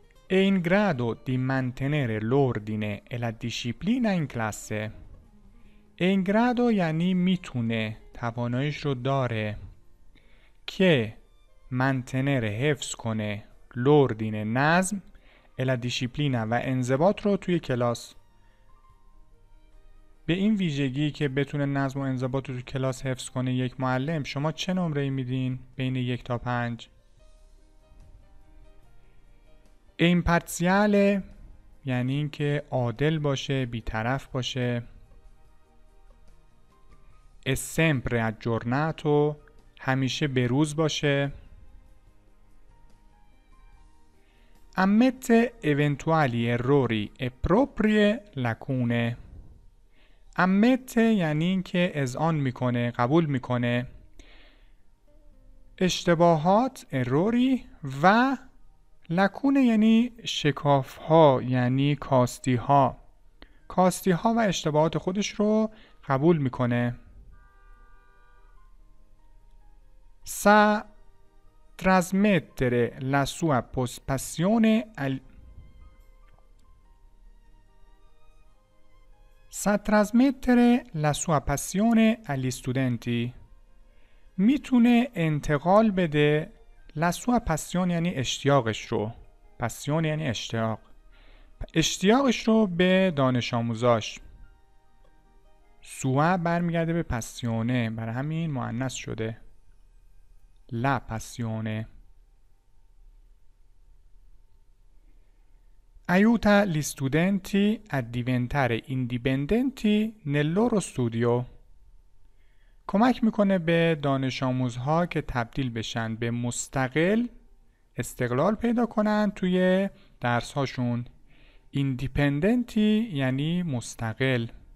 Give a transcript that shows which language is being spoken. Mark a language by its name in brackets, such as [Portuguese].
[Italian] È in grado di mantenere l'ordine e la disciplina in classe. È in grado [Persian] یعنی میتونه، توانایش رو داره که [Italian] mantenere [Persian] حفظ کنه [Italian] l'ordine [Persian] نظم [Italian] e la disciplina [Persian] و انضباط رو توی کلاس. به این ویژگی که بتونه نظم و انضباط رو توی کلاس حفظ کنه یک معلم، شما چه نمره میدین بین 1 تا 5؟ ایمپارسیاله یعنی اینکه عادل باشه، بیطرف باشه. [Italian] اسمپره اجورناتو، [Persian] همیشه به روز باشه. [Italian] ammette eventuali errori e proprie lacune. [Persian] Ammette یعنی این که اذعان میکنه، قبول میکنه. اشتباهات، اروری و لکونه یعنی شکاف ها، یعنی کاستی ها. کاستی ها و اشتباهات خودش رو قبول میکنه. [Italian] سا ترازمتره لسوا پسپسیونه ال... sa trasmettere la sua passione agli studenti. [Persian] میتونه انتقال بده [Italian] la sua passione [Persian] یعنی اشتیاقش رو. passione یعنی اشتیاق. اشتیاقش رو به دانش آموزاش. sua برمیگرده به passione، برای همین مؤنث شده. [Italian] la passione. Aiuta gli studenti a diventare indipendenti nel loro studio. [Persian] کمک میکنه به دانش آموزها که تبدیل بشن به مستقل، استقلال پیدا کنن توی درس هاشون. Indipendenti یعنی مستقل.